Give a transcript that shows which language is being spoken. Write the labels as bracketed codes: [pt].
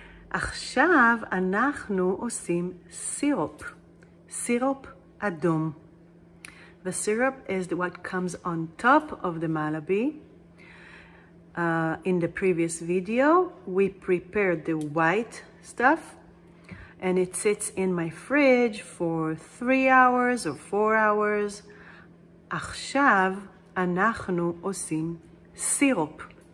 [he] עכשיו אנחנו עושים סירופ. סירופ אדום. [en] The syrup is what comes on top of the Malabi. In the previous video, we prepared the white stuff. And it sits in my fridge for 3 hours or 4 hours. [he] עכשיו אנחנו עושים סירופ.